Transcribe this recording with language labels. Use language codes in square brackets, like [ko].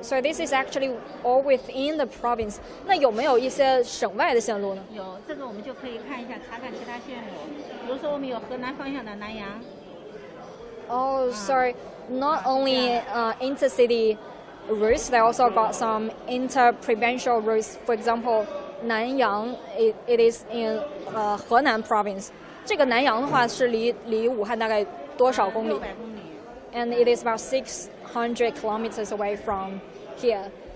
[en] So this is actually all within the province. [zh] 那有没有一些省外的线路呢？有，这个我们就可以看一下，查看其他线路。比如说，我们有河南方向的南阳。 [en] Sorry, not only intercity routes, they also got some interprovincial routes. For example. 南阳 it is in 河南 province. [zh] 这个南阳的话是离武汉大概多少公里？六百公里。 [en] And it is about 600 kilometers away from here.